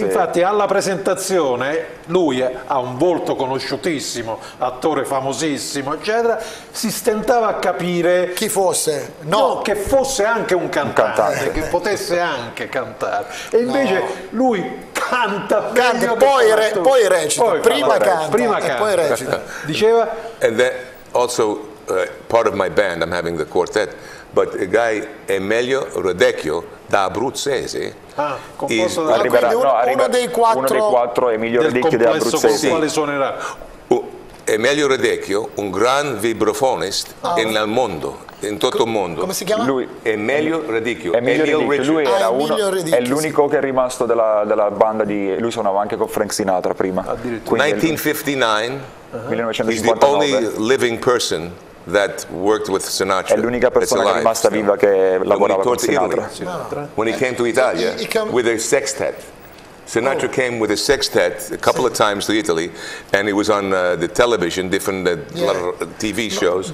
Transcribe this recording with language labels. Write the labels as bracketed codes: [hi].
[it] Infatti alla presentazione lui ha un volto conosciutissimo, attore famosissimo, eccetera, si stentava a capire chi fosse, che fosse anche un cantante che potesse anche cantare, e invece lui canta poi recita, poi recita. Diceva, [en] and that also part of my band, I'm having the quartet, but the guy Emilio Rodecchio [it] da Abruzzese, uno dei quattro Emilio Rodecchio da Abruzzese, con quale suonerà. Emilio Rodecchio, un gran vibrofonist nel mondo, in tutto il mondo. Come si chiama? Lui, Emilio Rodecchio. Lui era è l'unico che è rimasto della banda di... Lui suonava anche con Frank Sinatra prima. [en] 1959, he's the only living person that worked with Sinatra. [it] È l'unica persona che è rimasta viva che lavorava con Sinatra. [en] Italy, when he came to Italia, with a sextet. Sinatra came with a sextet a couple of times to Italy, and it was on the television, different TV shows.